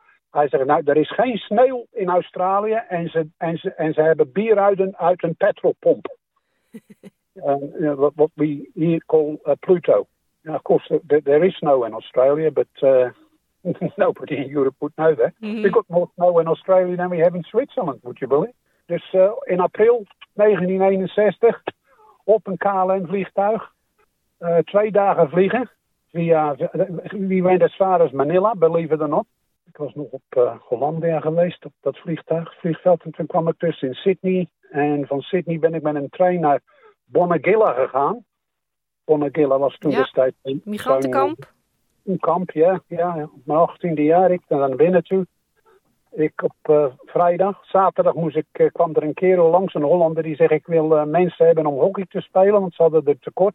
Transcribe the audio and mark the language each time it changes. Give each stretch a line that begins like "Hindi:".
Dutch: Hij zei, nou, er is geen sneeuw in Australië en ze hebben bier uit een petrolpomp.
English: what we here call Pluto. Now, of course, there is snow in Australia, but nobody in Europe would know that. Mm-hmm. We've got more snow in Australia than we have in Switzerland, would you believe?
Dutch: Dus in april 1961, op een KLM-vliegtuig, 2 dagen vliegen.
English: We went as far as Manila, believe it or not.
Dutch: Ik was nog op Hollandia geweest, op dat vliegveld. En toen kwam ik dus in Sydney. En van Sydney ben ik met een trein naar Bonegilla gegaan. Bonegilla was toen destijds een migrantenkamp. Een kamp, ja. Op mijn 18e jaar, ik ben dan binnen toe. Ik op zaterdag kwam er een kerel langs, een Hollander, die zegt, ik wil mensen hebben om hockey te spelen, want ze hadden er tekort.